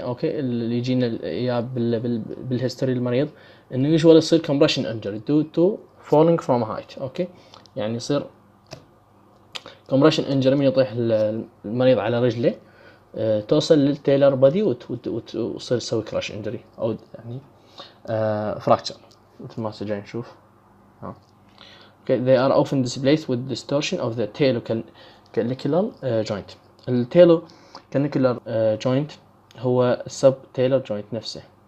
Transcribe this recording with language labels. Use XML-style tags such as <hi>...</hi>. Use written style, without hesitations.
<en>okay</en> <ar>اللي يجينا اياه بالهيستوري المريض انه</ar> <en>Usual يصير compression injury due to falling from height.</en> <ar>اوكي يعني يصير كومبريشن انجري من يطيح المريض على رجله توصل للتيلر بادي وتصير تسوي كراش انجري او يعني فراكتشر مثل ما سجل نشوف.</ar> <en>Okay they are often displaced with distortion of the telecanicular joint. التيلو كانيكولار joint هو السب تيلر جوينت نفسه.</en>